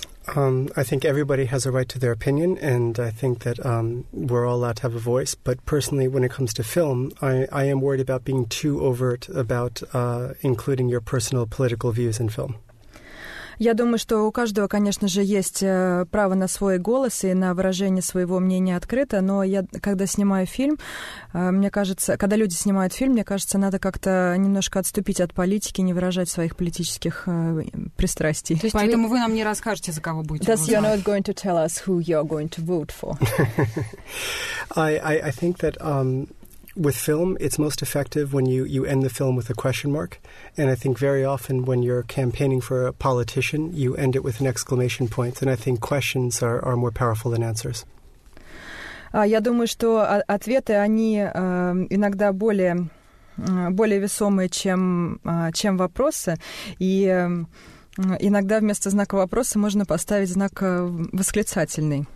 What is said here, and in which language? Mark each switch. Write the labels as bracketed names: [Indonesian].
[English] I think everybody has a right to their opinion, and I think that we're all allowed to have a voice. But personally, when it comes to film, I am worried about being too overt about including your personal political views in film. [Russian] Я думаю, что у каждого, конечно же, есть право на свой голос и на выражение своего мнения открыто, но я, когда снимаю фильм, мне кажется, когда люди снимают фильм, мне кажется, надо как-то немножко отступить от политики, не выражать своих политических пристрастий. То есть поэтому вы нам не расскажете, за кого будете голосовать. [English] You're not going to tell us who you're going to vote for. I think that with film, it's most effective when you end the film with a question mark. And I think very often when you're campaigning for a politician, you end it with an exclamation point. And I think questions are more powerful than answers. [Russian] Я думаю, что ответы, они иногда более весомые, чем вопросы. И иногда вместо знака вопроса можно поставить знак восклицательный.